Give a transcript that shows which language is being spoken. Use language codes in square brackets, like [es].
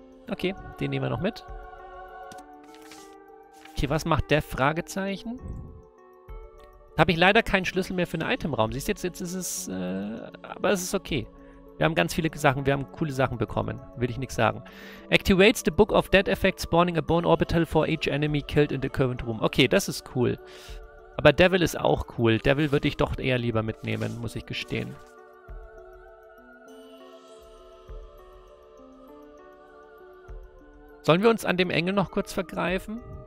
[de] Okay, den nehmen wir noch mit. Okay, was macht der Fragezeichen? Habe ich leider keinen Schlüssel mehr für den Itemraum. Siehst du, jetzt ist es. Aber es ist okay. Wir haben ganz viele Sachen, wir haben coole Sachen bekommen. Will ich nichts sagen. [en] Activates the Book of Dead Effect, spawning a bone orbital for each enemy killed in the current room. [de] Okay, das ist cool. Aber Devil ist auch cool. Devil würde ich doch eher lieber mitnehmen, muss ich gestehen. Sollen wir uns an dem Engel noch kurz vergreifen?